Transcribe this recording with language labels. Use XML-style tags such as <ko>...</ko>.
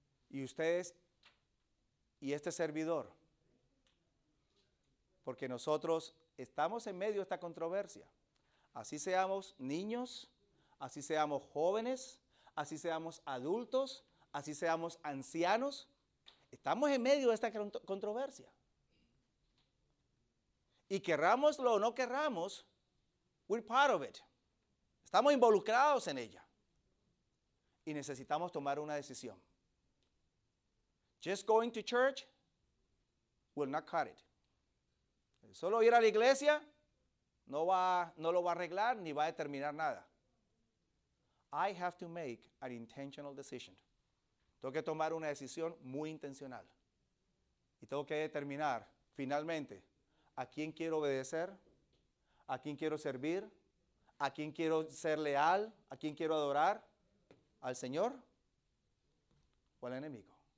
<es>Y ustedes y este servidor, porque nosotros estamos en medio de esta controversia, así seamos niños, así seamos jóvenes, así seamos adultos, así seamos ancianos, estamos en medio de esta controversia. Y querramoslo o no querramos,</es> <en>we're part of it.</en> <es>Estamos involucrados en ella. Y necesitamos tomar una decisión.</es> <en>Just going to church will not cut it.</en> <es>Solo ir a la iglesia no lo va a arreglar ni va a determinar nada.</es> <en>I have to make an intentional decision.</en> <es>Tengo que tomar una decisión muy intencional. Y tengo que determinar finalmente a quién quiero obedecer, a quién quiero servir, a quién quiero ser leal, a quién quiero adorar, al Señor o al enemigo.</es>